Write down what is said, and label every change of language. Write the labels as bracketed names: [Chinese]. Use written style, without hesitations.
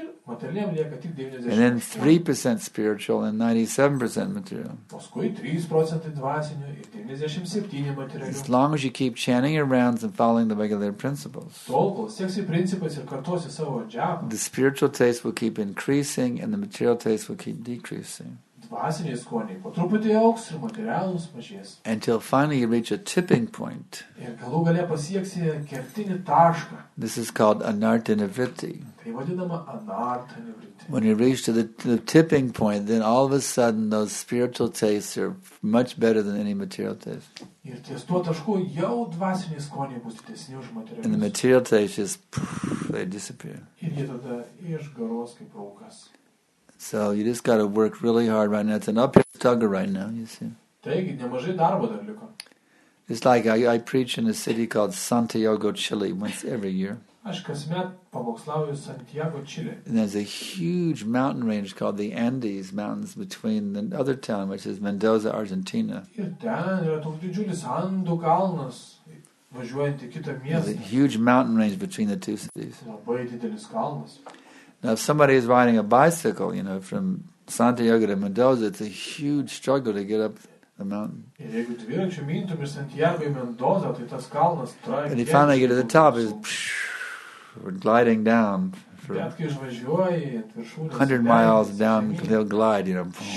[English] And then 3% spiritual and 97% material. As long as you keep chanting your rounds and following the regular principles, the spiritual taste will keep increasing and the material taste will keep decreasing. [Lithuanian] dvasiniai skoniai po truputį auks ir materialus mažės. [English] Until finally you reach a tipping point. [Lithuanian] Ir galų gale pasieksi kertinį tašką. [English] This is called anartha nivritti. [Lithuanian] Tai vadinama anartha nivritti. [English] When you reach to the tipping point, then all of a sudden those spiritual tastes are much better than any material taste. [Lithuanian] Ir ties tuo tašku jau dvasiniai skoniai bus didesni už materialus. [English] And the material taste just, they disappear. [Lithuanian] Ir jie tada išgaros kaip rūkas. [English] So you just got to work really hard right now. It's an uphill tugger right now, you see. [Lithuanian] Taigi, nemažai darbo dar liko. [English] It's like I preach in a city called Santiago, Chile, once every year. [Lithuanian] Aš kasmet pamokslauju Santiago, Chile. [English] And there's a huge mountain range called the Andes Mountains between the other town, which is Mendoza, Argentina. [Lithuanian] Ir ten yra toks didžiulis Andų kalnas, važiuojant į kitą miestą. [English] There's a huge mountain range between the two cities. [Lithuanian] Labai didelis kalnas. [English] Now, if somebody is riding a bicycle, you know, from Santiago to Mendoza, it's a huge struggle to get up the mountain. And you finally get to the top, it's gliding down for 100 miles down, they'll glide, you know.